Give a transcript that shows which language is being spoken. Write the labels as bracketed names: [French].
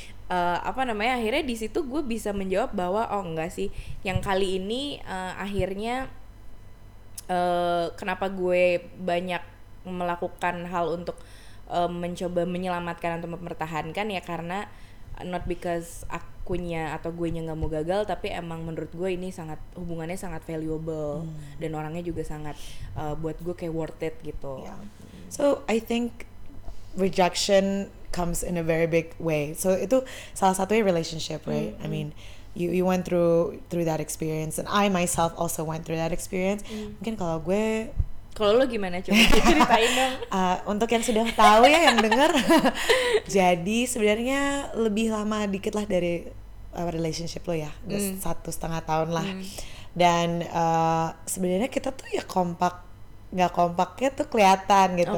[Indonesian] Akhirnya di situ gue bisa menjawab bahwa oh enggak sih, yang kali ini akhirnya kenapa gue banyak melakukan hal untuk mencoba menyelamatkan atau mempertahankan ya karena [English] not because [Indonesian] akunya atau guenya gak mau gagal, tapi emang menurut gue ini sangat, hubungannya sangat valuable, dan orangnya juga sangat buat gue kayak [English] worth it [Indonesian] gitu. [English] So I think rejection comes in a very big way. So [Indonesian] itu salah satunya [English] relationship, right? I mean, you went through that experience, and I myself also went through that experience. [Indonesian] Mungkin kalau gue, kalau lo gimana coba ceritain dong. Untuk yang sudah tahu ya, yang dengar. Jadi sebenarnya lebih lama dikit lah dari relationship lo ya, 1.5 tahun lah. Dan sebenarnya kita tuh ya kompak, nggak kompaknya tuh kelihatan gitu.